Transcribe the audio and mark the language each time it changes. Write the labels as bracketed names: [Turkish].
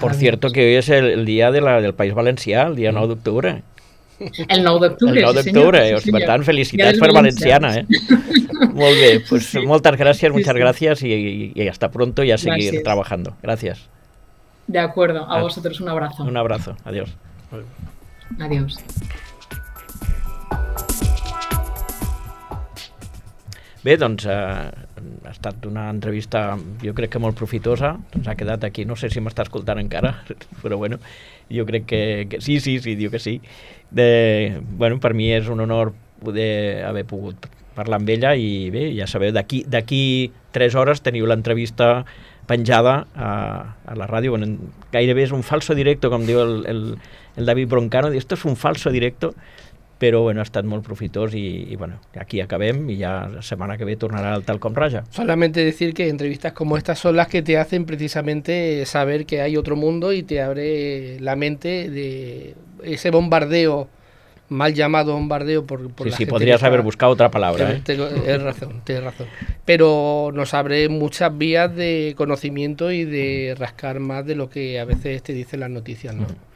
[Spanish] Por cierto que hoy es el día de del País Valencià, el día 9 de octubre. [Catalan] El 9 d'octubre, sí, d'octubre, sí, per tant, felicitats per valenciana, eh? Molt bé, pues sí. Moltes gràcies, sí, [Spanish] muchas gracias y hasta pronto y a seguir gracias. Trabajando. Gracias. De acuerdo, a vosotros un abrazo. Un abrazo, adiós. Adiós. [Catalan] Bé, doncs ha estat una entrevista, jo crec que molt profitosa, doncs ha quedat aquí, no sé si m'està escoltant encara, però bueno, jo crec que sí, diu que sí. Bueno, per mi és un honor poder haver pogut parlar amb ella i bé, ja sabeu, d'aquí 3 hores teniu l'entrevista penjada a la ràdio, bueno, gairebé és un falso directo, com diu el David Broncano, [Spanish] esto es un falso directo, [Catalan] però bueno, ha estat molt profitós i bueno, aquí acabem i ja la setmana que ve tornarà al tal com raja. [Spanish] Solamente decir que entrevistas como estas son las que te hacen precisamente saber que hay otro mundo y te abre la mente de ese bombardeo, mal llamado bombardeo por sí, la sí, podrías está, haber buscado otra palabra. Tienes razón. Pero nos abre muchas vías de conocimiento y de rascar más de lo que a veces te dicen las noticias, ¿no?